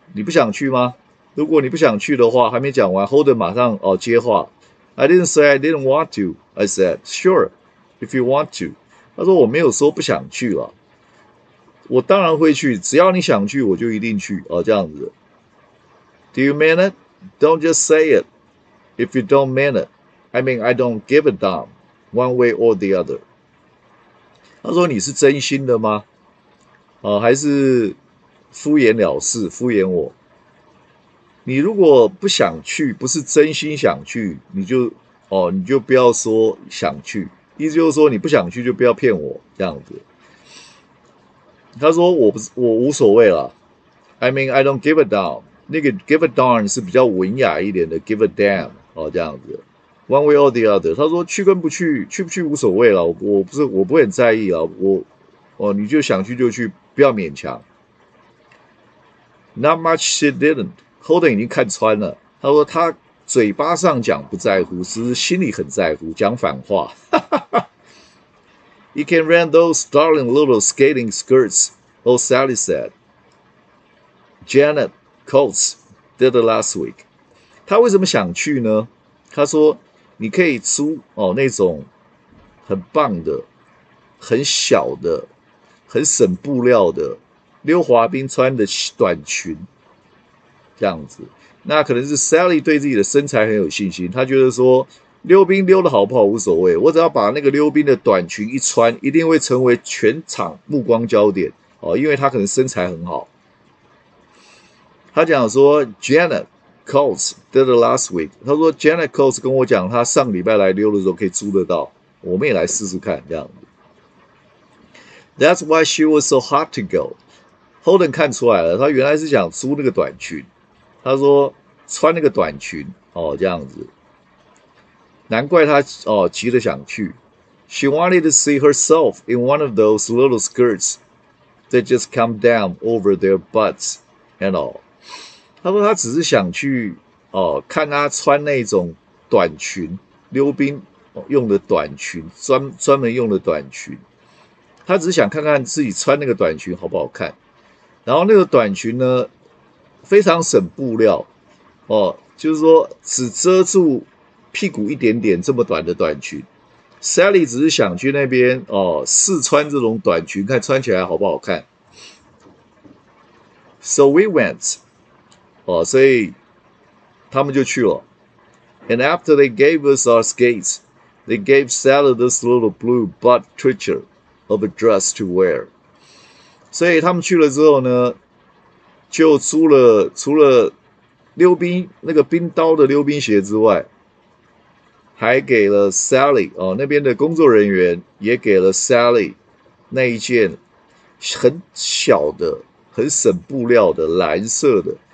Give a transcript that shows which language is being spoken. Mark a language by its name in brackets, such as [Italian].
[Chinese] 你不想去吗？如果你不想去的话，还没讲完，Holden 马上接话。 [English] I didn't say I didn't want to. I said, sure, if you want to. [Chinese] 他说我没有说不想去了。我当然会去，只要你想去，我就一定去这样子。 [English] Do you mean it? Don't just say it if you don't mean it. I mean, I don't give a damn one way or the other. [Chinese] 他说你是真心的吗？还是敷衍了事，敷衍我？你如果不想去，不是真心想去，你就不要说想去。意思就是说你不想去就不要骗我这样子。他说我不是，我无所谓了。 [English] I mean, I don't give a damn。 [Chinese] 那个 [English] give a darn [Chinese] 是比较文雅一点的 [English] give a damn [Chinese] 这样子， [English] one way or the other。 [Chinese] 他说去跟不去，去不去无所谓了，我不会很在意啊，你就想去就去，不要勉强。 [English] Not much she didn't. [Chinese] Holden 已经看穿了，他说他嘴巴上讲不在乎，其实心里很在乎，讲反话。 [English] You can rent those darling little skating skirts, old Sally said. Janet。 Coats did the last week。 [Chinese] 他为什么想去呢？他说：“你可以租那种很棒的、很小的、很省布料的溜滑冰穿的短裙，这样子。那可能是 Sally 对自己的身材很有信心，他觉得说溜冰溜得好不好无所谓，我只要把那个溜冰的短裙一穿，一定会成为全场目光焦点因为他可能身材很好。” 他讲说，Janet Coates [English] did the last week。 [Chinese] 他说，Janet Coates 跟我讲，他上礼拜来溜的时候可以租得到，我们也来试试看这样子。 [English] That's why she was so hot to go。 [Chinese] Holden 看出来了，他原来是想租那个短裙。他说穿那个短裙这样子，难怪他急着想去。 [English] She wanted to see herself in one of those little skirts that just come down over their butts and all。 [Chinese] 他说他只是想去看他穿那种短裙，溜冰用的短裙，专门用的短裙。他只是想看看自己穿那个短裙好不好看。然后那个短裙呢，非常省布料，就是说只遮住屁股一点点这么短的短裙。 Sally 只是想去那边试穿这种短裙，看穿起来好不好看。 [English] So we went。 [Chinese] 所以他们就去了。 [English] And after they gave us our skates, they gave Sally this little blue butt twitcher of a dress to wear。 [Chinese] 所以他们去了之后呢，就租了除了溜冰那个冰刀的溜冰鞋之外，还给了 Sally 那边的工作人员也给了 Sally 那一件很小的、很省布料的蓝色的。